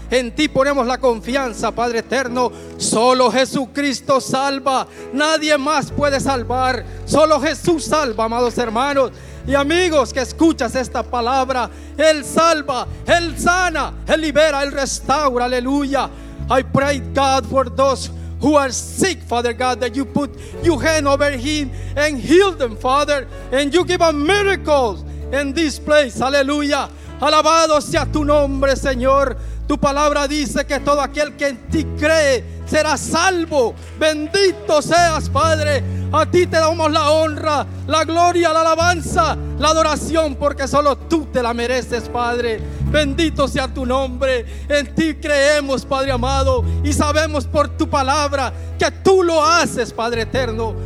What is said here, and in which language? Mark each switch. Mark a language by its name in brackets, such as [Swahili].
[Spanish] En ti ponemos la confianza, Padre eterno. Solo Jesucristo salva. Nadie más puede salvar. Solo Jesús salva, amados hermanos. Y amigos que escuchas esta palabra, Él salva, Él sana, Él libera, Él restaura, aleluya. [English] I pray God for those who are sick, Father God, that you put your hand over him and heal them, Father, and you give a miracle in this place, aleluya. [Spanish] Alabado sea tu nombre, Señor. Tu palabra dice que todo aquel que en ti cree será salvo. Bendito seas, Padre. A ti te damos la honra, la gloria, la alabanza, la adoración, porque solo tú te la mereces, Padre. Bendito sea tu nombre. En ti creemos, Padre amado, y sabemos por tu palabra que tú lo haces, Padre eterno.